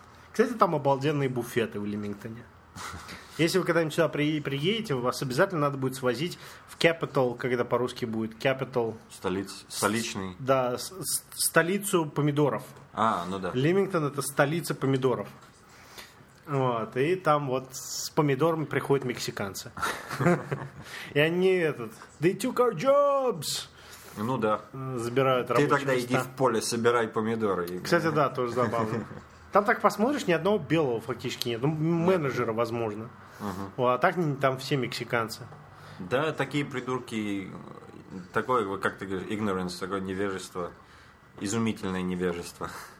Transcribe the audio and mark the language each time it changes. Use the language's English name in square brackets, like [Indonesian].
[Russian] Кстати, там обалденные буфеты в Лимингтоне. Если вы когда-нибудь сюда приедете, вас обязательно надо будет свозить в Capital, как это по-русски будет, Capital. Столичный. Да, столицу помидоров. А, ну да. Лимингтон — это столица помидоров. Вот, и там вот с помидорами приходят мексиканцы. И они этот, [English] they took our jobs! [Russian] Ну да. Забирают рабочие места. Ты тогда иди в поле, собирай помидоры. Кстати, да, тоже забавно. Там так посмотришь, ни одного белого фактически нет. Ну, менеджера, возможно. Угу. А так там все мексиканцы. Да, такие придурки. Такое, как ты говоришь, ignorance, такое невежество. Изумительное невежество.